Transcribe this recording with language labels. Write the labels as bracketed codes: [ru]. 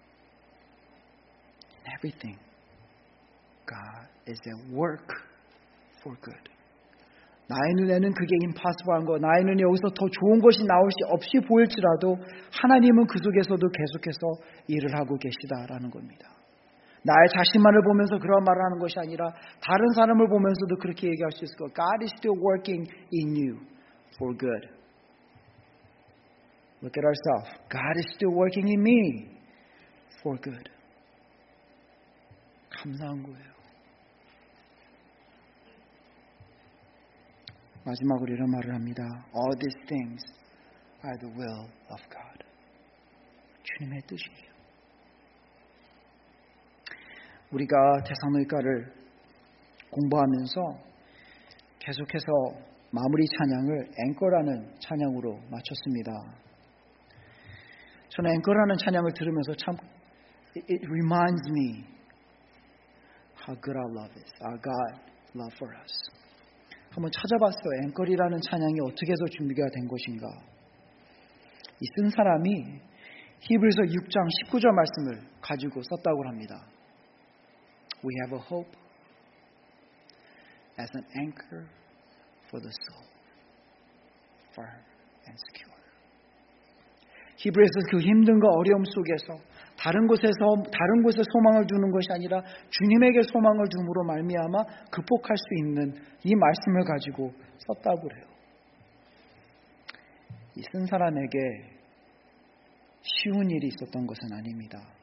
[en] In everything, God is at work for good. [ko] 나의 눈에는 그게 impossible한 거, 나의 눈에 여기서 더 좋은 것이 나올 수 없이 보일지라도 하나님은 그 속에서도 계속해서 일을 하고 계시다라는 겁니다. 나의 자신만을 보면서 그런 말을 하는 것이 아니라 다른 사람을 보면서도 그렇게 얘기할 수 있을 거예요. [en] God is still working in you for good. Look at ourselves. God is still working in me for good. [ko] 감사한 거예요. 마지막으로 이런 말을 합니다. [en] All these things are the will of God. [ko] 주님의 뜻이에요. 우리가 대사노이과를 공부하면서 계속해서 마무리 찬양을 앵커라는 찬양으로 마쳤습니다. 저는 앵커라는 찬양을 들으면서 참 [en] It reminds me how good our love is, our God love for us. [ko] 한번 찾아봤어요. 앵커라는 찬양이 어떻게 해서 준비가 된 것인가. 이 쓴 사람이 히브리서 6장 19절 말씀을 가지고 썼다고 합니다. [en] We have a hope as an anchor for the soul, firm and secure. [ko] 히브리서 그 힘든 거 어려움 속에서 다른 곳에 소망을 두는 것이 아니라 주님에게 소망을 둠으로 말미암아 극복할 수 있는 이 말씀을 가지고 썼다고 해요. 이 쓴 사람에게 쉬운 일이 있었던 것은 아닙니다.